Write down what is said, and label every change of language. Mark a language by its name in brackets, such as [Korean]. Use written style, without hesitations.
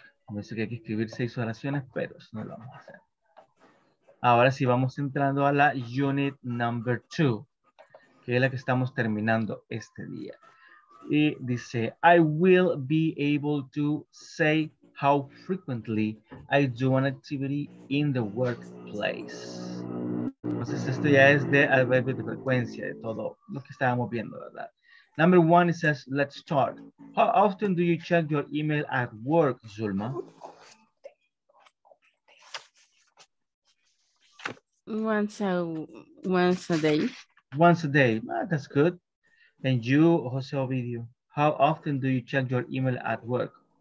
[Spanish] Me dice que hay que escribir 6 oraciones, pero eso no lo vamos a hacer. Ahora sí vamos entrando a la unit number 2, que es la que estamos terminando este día. Y dice, [English] I will be able to say how frequently I do an activity in the workplace. [Spanish] Entonces esto ya es de adverbio de frecuencia, de todo lo que estábamos viendo, ¿verdad? [English] Number one, it says, let's start. How often do you check your email at work, Zulma? Once a day. Once a day. Ah, that's good. And you, Jose Ovidio, how often do you check your email at work?